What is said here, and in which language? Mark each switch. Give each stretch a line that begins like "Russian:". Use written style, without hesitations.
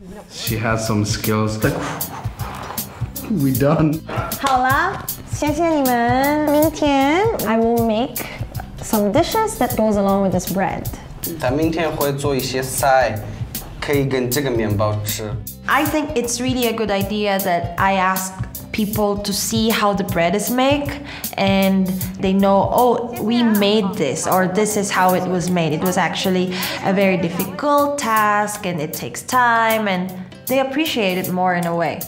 English: She has some skills. We done.
Chinese: 好啦，谢谢你们。明天
English: I will make some dishes that goes along with this bread.
Chinese: 咱明天会做一些菜，可以跟这个面包吃。
English: I think it's really a good idea that I ask. People to see how the bread is made and they know, oh, we made this or this is how it was made. It was actually a very difficult task and it takes time and they appreciate it more in a way.